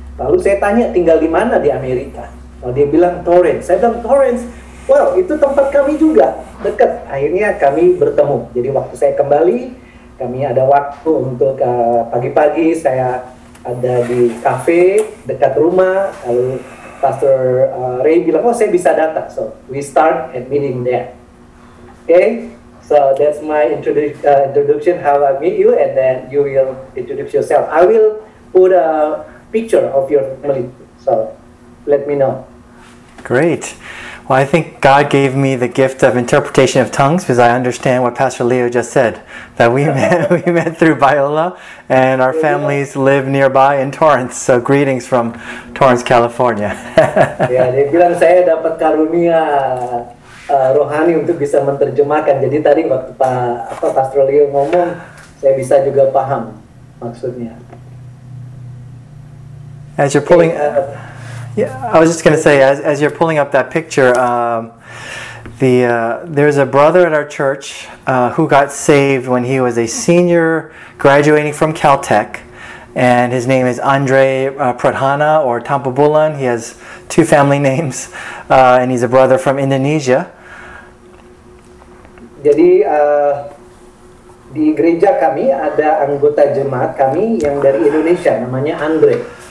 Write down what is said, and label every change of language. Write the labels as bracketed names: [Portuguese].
[Indonesian] Lalu saya tanya, tinggal di mana di Amerika? Lalu dia bilang, Torrance. Saya bilang, Torrance? Wow, itu tempat kami juga, dekat. Akhirnya kami bertemu. Jadi waktu saya kembali, kami ada waktu untuk pagi-pagi, saya ada di kafe dekat rumah, lalu Pastor Ray bilang, oh saya bisa datang. [English] So, we start at meeting there. Okay, so that's my introduction, how I meet you, and then you will introduce yourself. I will put a picture of your family, so let me know. Great. Well, I think God gave me the gift of interpretation of tongues because I understand what Pastor Leo just said, that we met through Biola, and our families live nearby in Torrance. So greetings from Torrance, California. [Indonesian] Yeah, dia bilang saya dapat karunia rohani untuk bisa menerjemahkan. Jadi tadi waktu Pastor Leo ngomong, saya bisa juga paham maksudnya. [English] As you're pulling... Yeah, I was just going to say, as you're pulling up that picture, there's a brother at our church who got saved when he was a senior graduating from Caltech, and his name is Andre Pradhana or Tampabulan. He has two family names, and he's a brother from Indonesia. [Indonesian] Jadi di gereja kami ada anggota jemaat kami yang dari Indonesia, namanya Andre.